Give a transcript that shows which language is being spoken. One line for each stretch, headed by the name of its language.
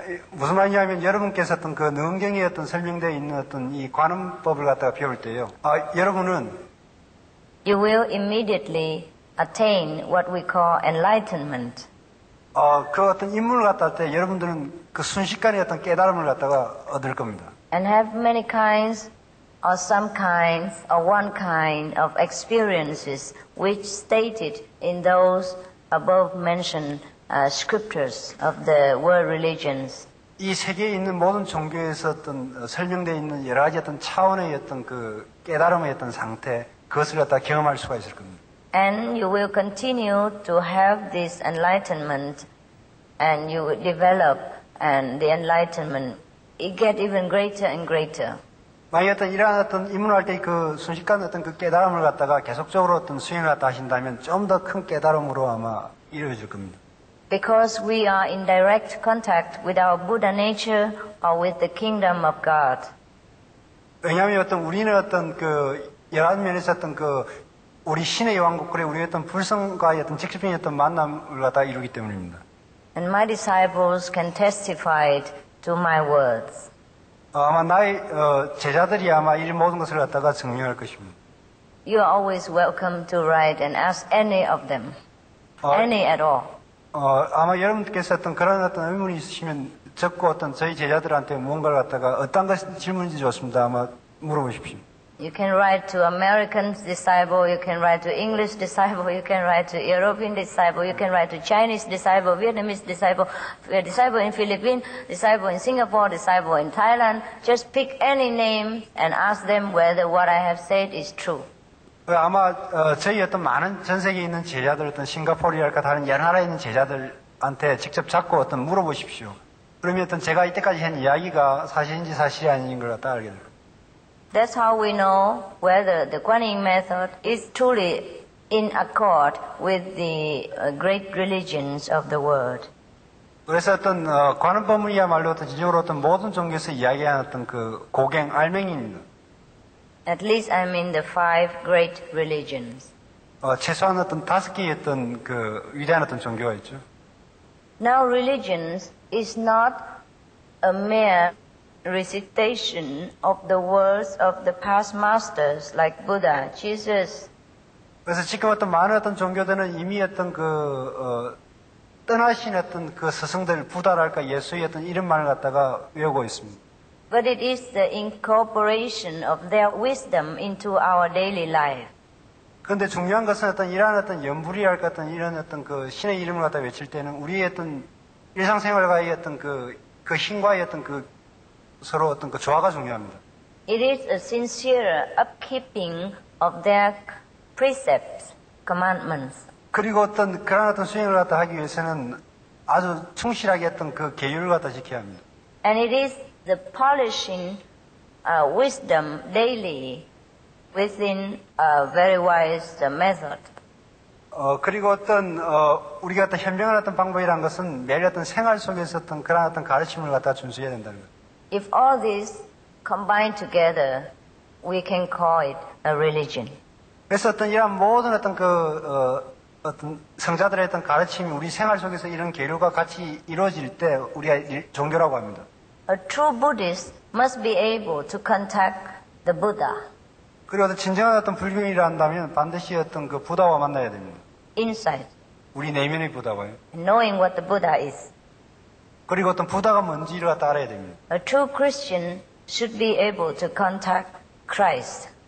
Korean: 무슨 말이냐면 여러분께서 어떤 그 능경에 어떤 설명되어 있는 어떤 이 관음법을 갖다가 배울 때요. 여러분은
English: you will immediately attain what we call enlightenment.
Korean: 그 어떤 인물 갖다 할 때 여러분들은 그 순식간에 어떤 깨달음을 갖다가 얻을 겁니다.
English: And have many kinds or some kinds or one kind of experiences which stated in those above mentioned scriptures of the world religions.
Korean: 이 세계에 있는 모든 종교에서 어떤 설명되어 있는 여러 가지 어떤 차원의 어떤 그 깨달음의 어떤 상태, 그것을 갖다 경험할 수가 있을 겁니다.
English: And you will continue to have this enlightenment and you will develop and the enlightenment it get even greater and greater.
Korean: 만약 어떤 이러한 어떤 입문할 때 그 순식간 어떤 그 깨달음을 갖다가 계속적으로 어떤 수행을 갖다 하신다면 좀 더 큰 깨달음으로 아마 이루어질 겁니다.
English: Because we are in direct contact with our Buddha nature or with the kingdom of God.
Korean: 왜냐하면 어떤 우리는 어떤 그 여러 면에서 어떤 그 우리 신의 왕국 그래 우리 어떤 불성과 어떤 직접적인 어떤 만남을 갖다 이루기 때문입니다.
English: And my disciples can testify to my words.
Korean: 아마 나의 제자들이 아마 이 모든 것을 갖다가 증명할 것입니다.
English: You are always welcome to write and ask any of them, any at all.
Korean: 아마 여러분께서 어떤 그런 어떤 의문이 있으시면 적고 어떤 저희 제자들한테 무언가를 갖다가 어떤 것 질문인지 좋습니다. 아마 물어보십시오.
English: You can write to American disciple, you can write to English disciple, you can write to European disciple, you can write to Chinese disciple, Vietnamese disciple, disciple in Philippines, disciple in Singapore, disciple in Thailand. Just pick any name and ask them whether what I have said is true.
Korean: 아마 저희 어떤 많은 전 세계에 있는 제자들 어떤 싱가포르랄까 다른 여러 나라에 있는 제자들한테 직접 찾고 어떤 물어보십시오. 그러면 제가 이때까지 한 이야기가 사실인지 사실이 아닌 걸 갖다 알게 됩니다.
English: That's how we know whether the Guanyin method is truly in accord with the great religions of the world.
Korean: 그래서 어떤 관음법문이야말로 어떤 진정으로 어떤 모든 종교에서 이야기하는 어떤 그 고갱 알맹이인.
English: At least I'm in the five great religions.
Korean: 최소한 어떤 다섯 개의 어떤 그 위대한 어떤 종교가 있죠.
English: Now religions is not a mere recitation of the words of the past masters like Buddha, Jesus.
Korean: 그래서 지금 어떤 많은 어떤 종교들은 이미 어떤 그 떠나신 어떤 그 스승들 부다랄까 예수의 어떤 이름만을 갖다가 외우고 있습니다.
English: But it is the incorporation of their wisdom into our daily life.
Korean: 그런데 중요한 것은 어떤 이러한 어떤 연불이랄 같은 이런 어떤 그 신의 이름을 갖다 외칠 때는 우리의 어떤 일상생활과의 어떤 그 힘과의 어떤 그 서로 어떤 그 조화가 중요합니다.
English: It is a sincere upkeeping of their precepts, commandments.
Korean: 그리고 어떤 그런 어떤 수행을 갖다 하기 위해서는 아주 충실하게 했던 그 계율을 갖다 지켜야 합니다.
English: And it is the polishing wisdom daily within a very wise method.
Korean: 그리고 어떤 우리가 어떤 현명한 어떤 방법이란 것은 매일 어떤 생활 속에서 어떤 그런 어떤 가르침을 갖다 준수해야 된다는 것.
English: If all these combine together, we can call it a religion.
Korean: 그래서 어떤 이런 모든 어떤 그 어떤 성자들의 어떤 가르침이 우리 생활 속에서 이런 계류가 같이 이루어질 때 우리가 종교라고 합니다.
English: A true Buddhist must be able to contact the Buddha.
Korean: 그리고 어떤 진정한 어떤 불교인이라 한다면 반드시 어떤 그 부다와 만나야 됩니다.
English: Inside.
Korean: 우리 내면의 부다와요.
English: Knowing what the Buddha is.
Korean: 그리고 어떤 부다가 뭔지를 갖다 알아야 됩니다.
English: A true Christian should be able to contact Christ.